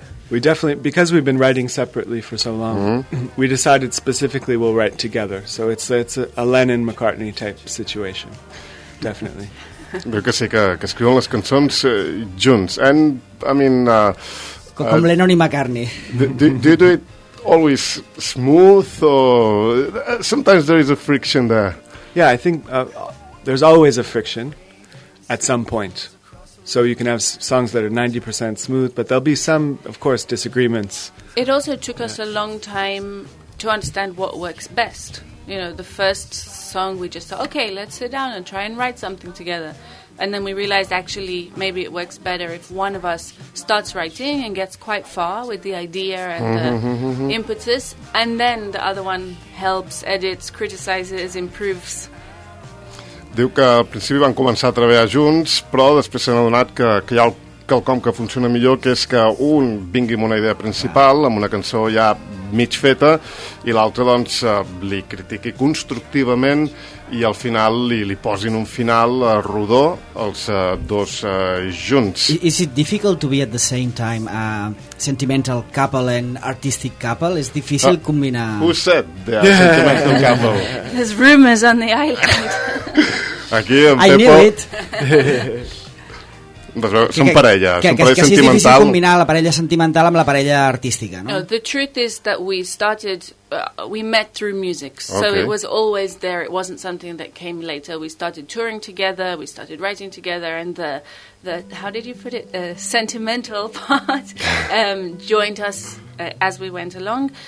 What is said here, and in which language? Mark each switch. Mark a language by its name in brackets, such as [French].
[English] We definitely, because we've been writing separately for so long, we decided specifically we'll write together. So it's a Lennon-McCartney type situation, definitely. [Catalan] Veu que sí, que escriuen les cançons junts. [English] And, I mean... [Catalan] Com Lennon i McCartney. [English] Do you do it always smooth, or... Sometimes there is a friction there. Yeah, I think there's always a friction at some point. So you can have songs that are 90% smooth, but there'll be some, of course, disagreements. It also took us a long time to understand what works best. You know, the first song we just thought, okay, let's sit down and try and write something together. And then we realized actually maybe it works better if one of us starts writing and gets quite far with the idea and the impetus, and then the other one helps, edits, criticizes, improves. [Catalan] Diu que al principi van començar a treballar junts, però després s'han adonat que hi ha quelcom que funciona millor, que és que un vingui amb una idea principal, amb una cançó ja mig feta, i l'altre doncs li critiqui constructivament i al final li posin un final rodó els dos junts. [English] Is it difficult to be at the same time a sentimental couple and artistic couple? [Catalan] És difícil combinar... [English] Who said they are sentimental couple? There's rumors on the island. [Catalan] Aquí, en Pepo... [English] I knew it. [Catalan] Són parella, són parella sentimental. Que és difícil combinar la parella sentimental amb la parella artística, no? [English] No, the truth is that we met through music. Okay. So it was always there, it wasn't something that came later. We started touring together, we started writing together, and the how did you put it, the sentimental part joined us as we went along.